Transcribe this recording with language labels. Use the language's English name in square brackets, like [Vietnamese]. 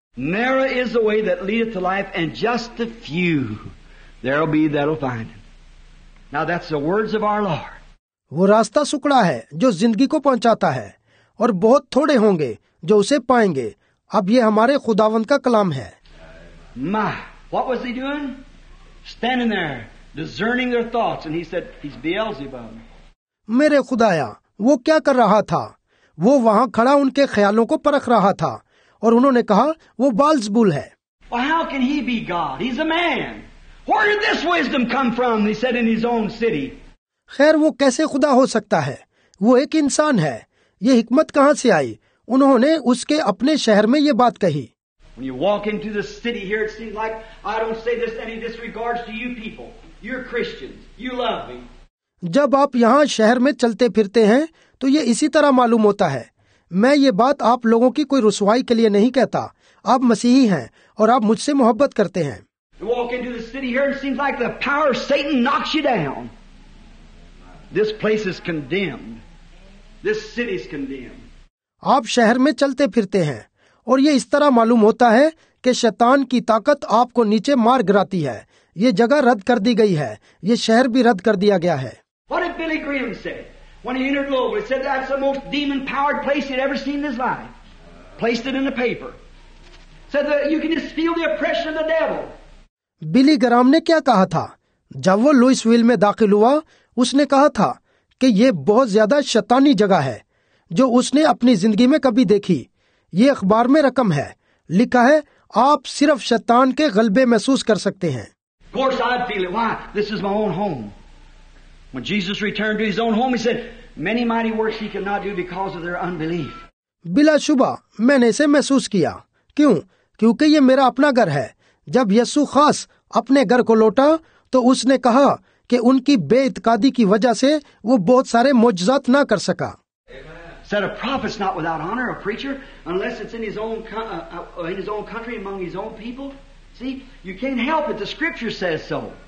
[English] Narrow is the way that leadeth to life, and just a few there'll be that'll find it. Now that's the words of our Lord. [Hindi] वो रास्ता सुकड़ा है जो जिंदगी को पहुंचाता है, और बहुत थोड़े होंगे जो उसे पाएंगे। अब ये हमारे खुदावंद का कलाम है। [English] My, what was he doing? Standing there, discerning their thoughts, and he said, "He's Beelzebub." [Hindi] मेरे खुदाया, वो क्या कर रहा था? वो वहाँ खड़ा उनके ख्यालों को परख रहा था, और उन्होंने कहा, वो बालजबूल है। [English] Well, how can he be God? He's a man. Where did this wisdom come from? He said in his own city. [Hindi] खैर, वो कैसे खुदा हो सकता है? वो एक इंसान है। ये हिकमत कहाँ से आई? उन्होंने उसके अपने शहर में ये बात कही। [English] When you walk into the city here, it seems like I don't say this any disregards to you people. You're Christians. You love me. [Hindi] जब आप यहाँ शहर में चलते फिरते हैं, तो ये इसी तरह मालूम होता है। मैं ये बात आप लोगों की कोई रुसवाई के लिए नहीं कहता। आप मसीही हैं और आप मुझसे मोहब्बत करते हैं। [English] You walk into the city here and it seems like the power of Satan knocks you down. This place is condemned. This city is condemned. [Hindi] आप शहर में चलते फिरते हैं और ये इस तरह मालूम होता है कि शैतान की ताकत आपको नीचे मार गिराती है। ये जगह रद्द कर दी गई है, ये शहर भी रद्द कर दिया गया है। [English] What did Billy Graham say when he entered Louisville? He said that's the most demon-powered place he'd ever seen in his life. Placed it in the paper. Said that you can just feel the oppression of the devil. [Hindi] Billy Graham ने क्या कहा था? जब वो Louisville में दाखिल हुआ, उसने कहा था कि ये बहुत ज्यादा शैतानी जगह है जो उसने अपनी जिंदगी में कभी देखी। ये अखबार में रकम है, लिखा है, आप सिर्फ शैतान के गलबे महसूस कर सकते हैं। [English] Of course I feel it. Why? This is my own home. When Jesus returned to his own home, he said, many mighty works he could not do because of their unbelief. [Hindi] बिला शुबा मैंने इसे महसूस किया। क्यों? क्योंकि ये मेरा अपना घर है। जब यीशु खास अपने घर को लौटा, तो उसने कहा कि उनकी बेइतकादी की वजह से वो बहुत सारे मौजजात ना कर सका। [English] Said a prophet's not without honor, a preacher, unless it's in his own country, among his own people. See, you can't help it. The scripture says so.